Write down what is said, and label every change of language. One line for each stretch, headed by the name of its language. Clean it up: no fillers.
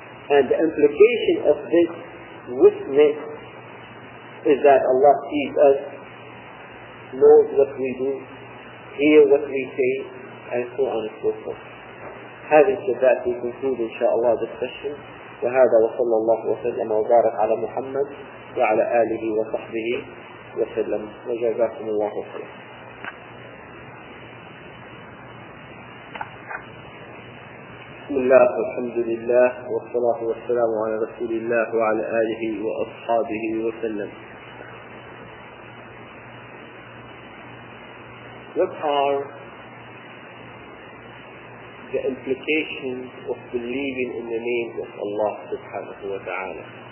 English: And the implication of this witness is that Allah sees us, knows what we do, hears what we say, and so on and so forth. Having said that, we conclude inshaAllah this session.
Arabic: وهذا وصلى الله وسلم وبارك على محمد وعلى آله وصحبه وسلم وجزاكم الله خيرا. بسم الله والحمد لله والصلاة والسلام على رسول الله وعلى آله وأصحابه وسلم.
English: What are the implications of believing in the names of Allah subhanahu wa ta'ala?